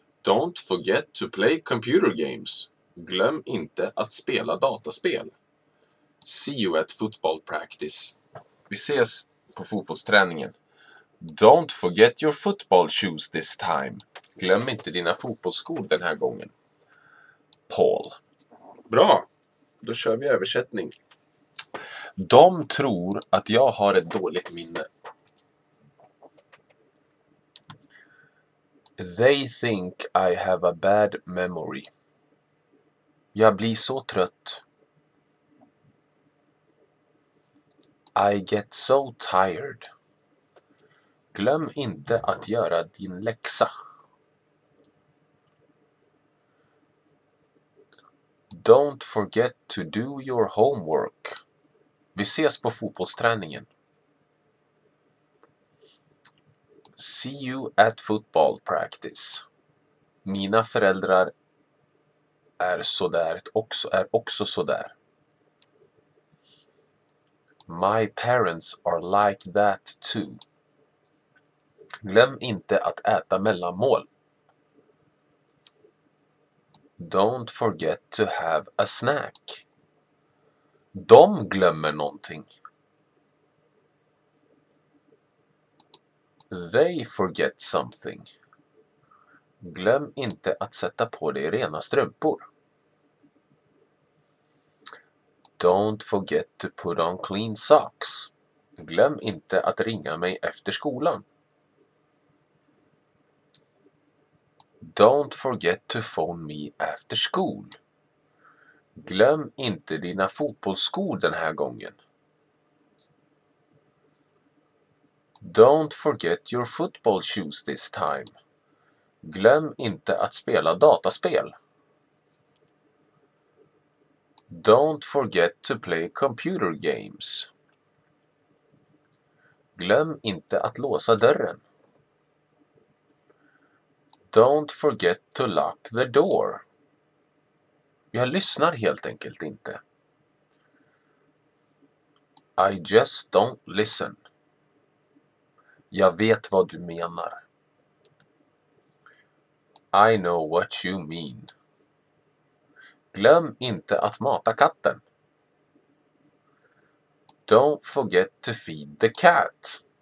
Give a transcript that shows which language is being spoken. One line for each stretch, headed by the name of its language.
English: Don't forget to play computer games.
Swedish: Glöm inte att spela dataspel.
English: See you at football practice.
Swedish: Vi ses på fotbollsträningen.
English: Don't forget your football shoes this time.
Swedish: Glöm inte dina fotbollsskor den här gången. Paul. Bra. Då kör vi översättning. De tror att jag har ett dåligt minne.
English: They think I have a bad memory.
Swedish: Jag blir så trött.
English: I get so tired.
Swedish: Glöm inte att göra din läxa.
English: Don't forget to do your homework.
Swedish: Vi ses på fotbollsträningen.
English: See you at football practice.
Swedish: Mina föräldrar är så där, är också så där.
English: My parents are like that too.
Swedish: Glöm inte att äta mellanmål.
English: Don't forget to have a snack.
Swedish: De glömmer någonting.
English: They forget something.
Swedish: Glöm inte att sätta på dig rena strumpor.
English: Don't forget to put on clean socks.
Swedish: Glöm inte att ringa mig efter skolan.
English: Don't forget to phone me after school.
Swedish: Glöm inte dina fotbollsskor den här gången.
English: Don't forget your football shoes this time.
Swedish: Glöm inte att spela dataspel.
English: Don't forget to play computer games.
Swedish: Glöm inte att låsa dörren.
English: Don't forget to lock the door.
Swedish: Jag lyssnar helt enkelt inte.
English: I just don't listen.
Swedish: Jag vet vad du menar.
English: I know what you mean.
Swedish: Glöm inte att mata katten.
English: Don't forget to feed the cat.